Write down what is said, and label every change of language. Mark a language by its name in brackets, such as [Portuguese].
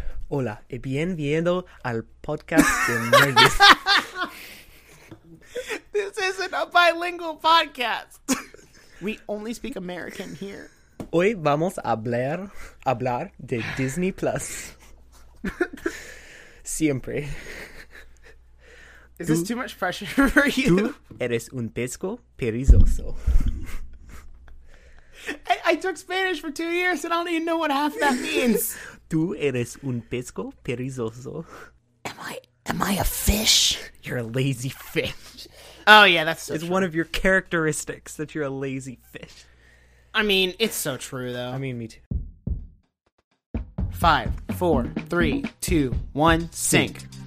[Spanish] Hola, y bienvenido al podcast de Nerdiest. [English] This isn't a bilingual podcast. We only speak American here. [Spanish] Hoy vamos a hablar de Disney Plus. Siempre. [English] Is this too much pressure for you? [Spanish] Tú eres un pesco perezoso. [English] I took Spanish for 2 years and I don't even know what half that means. [Spanish] Tú eres un pesco perezoso. [English] Am I a fish? You're a lazy fish. Oh, yeah, that's so true. It's one of your characteristics that you're a lazy fish. I mean, it's so true, though. I mean, me too. 5, 4, 3, 2, 1, sync.